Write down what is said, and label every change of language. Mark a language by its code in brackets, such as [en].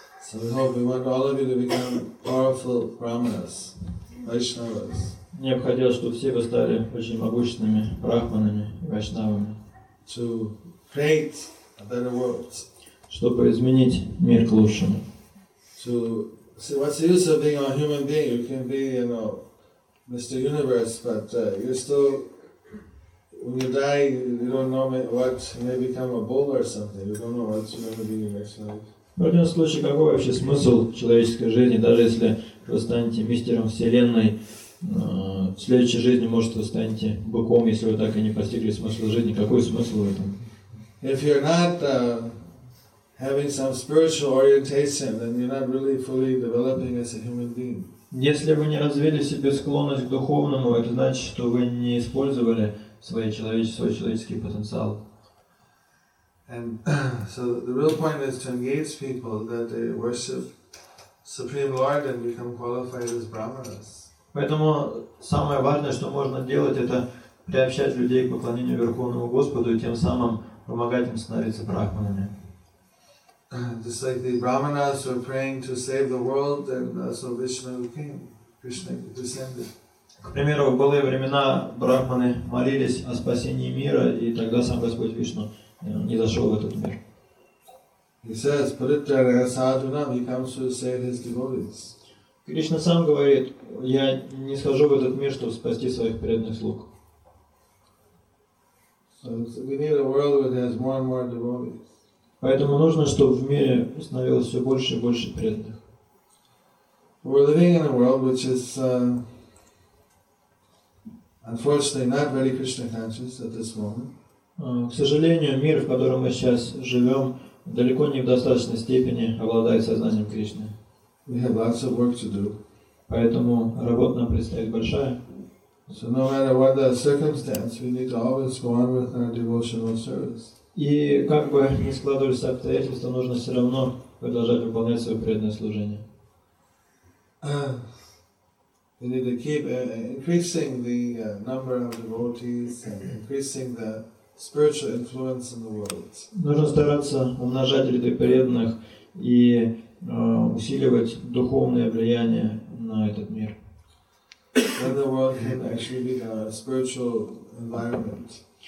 [en] So So we hope, we want all of you to become powerful brahmanas, vaishnavas. [ru] Мне бы хотелось, чтобы все вы стали очень могущественными брахманами, вайшнавами. [en] To create a better world. [ru] Чтобы изменить мир к лучшему. [en] To see what's the use of being a human being? You can be, you know, Mr. Universe, but you're still, when you die, you don't know what, you may become a bull or something. You don't know what's going to be your next life. [ru] В этом случае, какой вообще смысл человеческой жизни, даже если вы станете мистером Вселенной, в следующей жизни, может, вы станете быком, если вы так и не постигли смысл жизни, какой смысл в этом? [en] If you're not having some spiritual orientation, then you're not really fully developing as a human being. [ru] Если вы не развили в себе склонность к духовному, это значит, что вы не использовали свой человеческий потенциал. [en] And so the real point is to engage people that they worship Supreme Lord and become qualified as brahmanas. [ru] Поэтому самое важное, что можно делать, это приобщать людей к поклонению Верховному Господу и тем самым помогать им становиться брахманами. [en] Just like the brahmanas were praying to save the world, and so Vishnu came, Krishna descended. [ru] К примеру, в былые времена брахманы молились о спасении мира, и тогда сам Господь Вишну не зашел в этот мир. [en] He says, [sa] "Paritraya sadhunam, [en] he comes to save his devotees." [ru] Кришна сам говорит, я не схожу в этот мир, чтобы спасти своих преданных слуг. [en] So we need a world where there's more and more devotees. [ru] Поэтому нужно, чтобы в мире становилось все больше и больше преданных. [en] We're living in a world which is unfortunately not very Krishna conscious at this moment. [ru] К сожалению, мир, в котором мы сейчас живем, далеко не в достаточной степени обладает сознанием Кришны. [en] We have lots of work to do. [ru] Поэтому работа нам предстоит большая. [en] So no matter what the circumstance, we need to always go on with our devotional service. [ru] И как бы ни складывались обстоятельства, нужно все равно продолжать выполнять свое преданное служение. [en] We need to keep increasing the number of devotees and increasing the spiritual influence in the world. [ru] Нужно стараться умножать ряды преданных и усиливать духовное влияние на этот мир. [en] Then the world can actually be a spiritual environment.